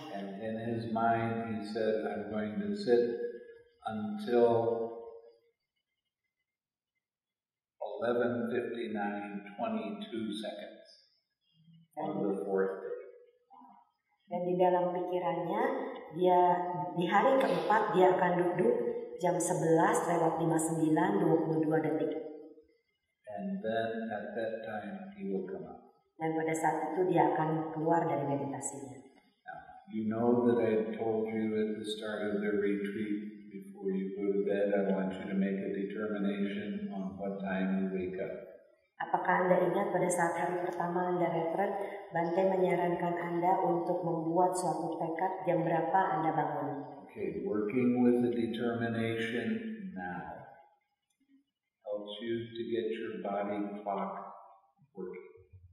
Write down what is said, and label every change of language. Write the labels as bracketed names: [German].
[English] And in his mind, he said, "I'm going to sit until 11:59:22 seconds on the fourth day." [Indonesian] Dan di dalam pikirannya, dia di hari keempat dia akan duduk jam 11:59:22. [English] And then at that time he will come up. [Indonesian] Dan pada saat itu dia akan keluar dari meditasinya. [English] Now, you know that I told you at the start of the retreat, before you go to bed, I want to time you wake up. [Indonesian] Apakah Anda ingat pada saat hari pertama Anda retret, Bante menyarankan Anda untuk membuat suatu tekad jam berapa Anda bangun? [English] Okay, working with the determination now helps you to get your body clock working.